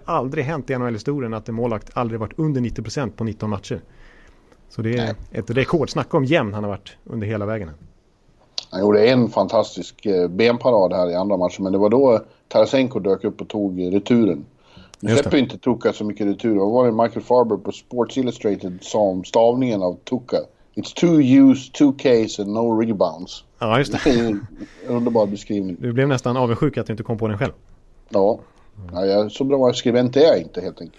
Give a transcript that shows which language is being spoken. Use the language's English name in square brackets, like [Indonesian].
[Swedish] Det har aldrig hänt i NHL-historien att en målvakt aldrig varit under 90% på 19 matcher. Så det är ett rekord. Snacka om jämn han har varit under hela vägen. Han gjorde en fantastisk benparad här i andra matchen, men det var då Tarasenko dök upp och tog returen. Nu släpper inte Tuka så mycket retur. Och var det Michael Farber på Sports Illustrated som stavningen av Tuka? [English] It's two U's, two K's and no rebounds. [Swedish] Ja, just det. Underbar beskrivning. Du blev nästan avundsjuk att du inte kom på den själv. Ja, ja, så bra skrivent är jag inte helt enkelt.